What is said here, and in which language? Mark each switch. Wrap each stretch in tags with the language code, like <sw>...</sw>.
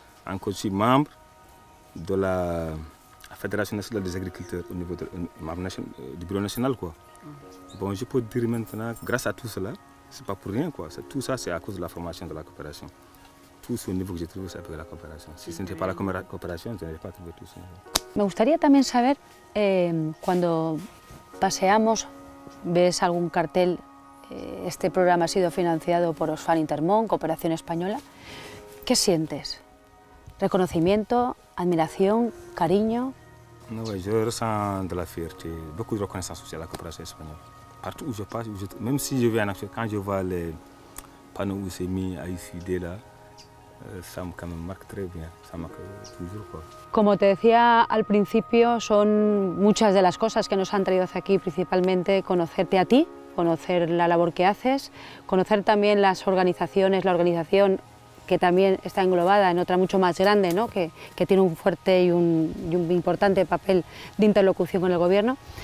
<fr>Encore, je suis membre de la Fédération nationale des agriculteurs au niveau du bureau national. Bon, je peux dire maintenant, grâce à tout cela, c'est pas pour rien, tout ça c'est à cause de la formation de la coopération. Tout ce niveau que j'ai trouvé, c'est avec la coopération. Si ce n'était pas la coopération, je n'aurais pas trouvé tout ce niveau.</fr> <es>Me gustaría también saber, cuando paseamos, ves algún cartel, este programa ha sido financiado por Oxfam Intermón, Cooperación Española, ¿qué sientes? ¿Reconocimiento, admiración, cariño?</es> <fr>No, yo ressens de la fierté, beaucoup de reconnaissance aussi à la coopération espagnole. Partout où je passe, même si je vais en action, quand je vois les panneaux où c'est mis à ICD là, ça me marque très bien, ça me marque toujours quoi.</fr> <es>Como te decía al principio, son muchas de las cosas que nos han traído hacia aquí, principalmente conocerte a ti, conocer la labor que haces, conocer también las organizaciones, la organización que también está englobada en otra mucho más grande, ¿no? que tiene un fuerte y un importante papel de interlocución con el gobierno.</es>